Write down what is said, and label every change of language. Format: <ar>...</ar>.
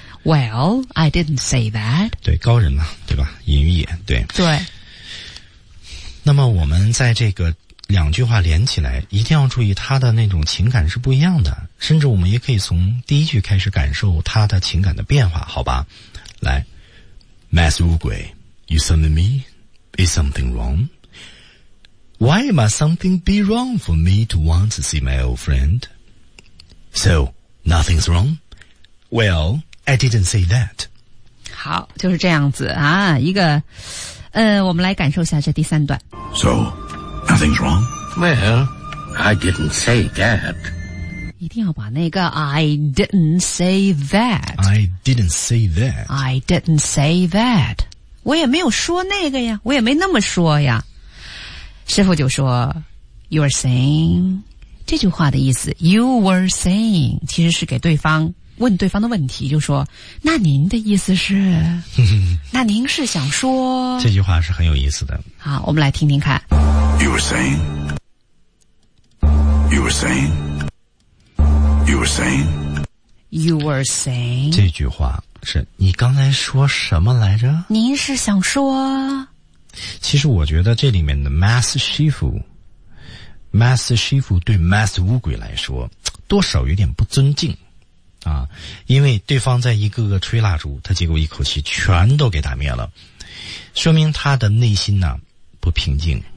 <en>Well, I didn't say that.</en> <zh>对，高人嘛，对吧，隐于野，对。对。那么我们在这个两句话连起来一定要注意他的那种情感是不一样的，甚至我们也可以从第一句开始感受他的情感的变化，好吧。来。</zh> <en>Mass 乌龟 ,you summon me, is something wrong? Why must something be wrong for me to want to see my old friend? So, nothing's wrong? Well, I didn't say that.</en> <zh>好，就是这样子啊，一个，我们来感受一下这第三段。</zh> <en>So, nothing's wrong? Well, I didn't say that.</en> <zh>一定要把那个</zh> <en>I didn't say that. I didn't say that. I didn't say that.</en> <zh>我也没有说那个呀，我也没那么说呀。师父就说</zh> <en>You are saying</en> <zh>这句话的意思</zh> <en>You were saying</en> <zh>其实是给对方问对方的问题，就说那您的意思是那您是想说这句话是很有意思的。好，我们来听听看。</zh> <en>You were saying You were saying You were saying You were saying</en> <zh>这句话是你刚才说什么来着，您是想说。其实我觉得这里面的 Mass Shifu Mass Shifu 对 Mass 乌鬼来说多少有点不尊敬啊，因为对方在一个个吹蜡烛，他结果一口气全都给打灭了，说明他的内心呢不平静，</zh>